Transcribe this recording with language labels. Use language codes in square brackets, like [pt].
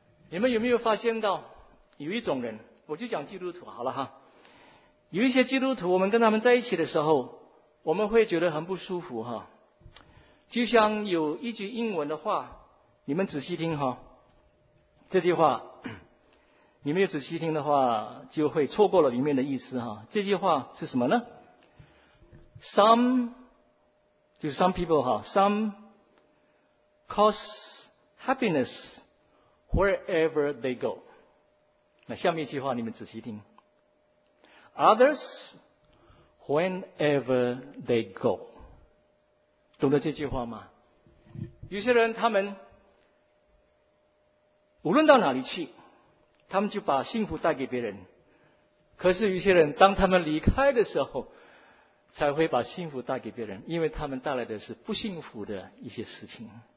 [zh] 你们有没有发现到有一种人，我就讲基督徒好了哈，有一些基督徒我们跟他们在一起的时候我们会觉得很不舒服哈。就像有一句英文的话，你们仔细听哈，这句话你没有仔细听的话就会错过了里面的意思哈。这句话是什么呢？ [en] Some 就是 some people 哈， Some cause happinessWherever they go. [zh] 那下面一句话你们仔细听。 [en] Others, whenever they go. [zh] 懂得这句话吗？有些人他们无论到哪里去，他们就把幸福带给别人。可是有些人当他们离开的时候，才会把幸福带给别人，因为他们带来的是不幸福的一些事情。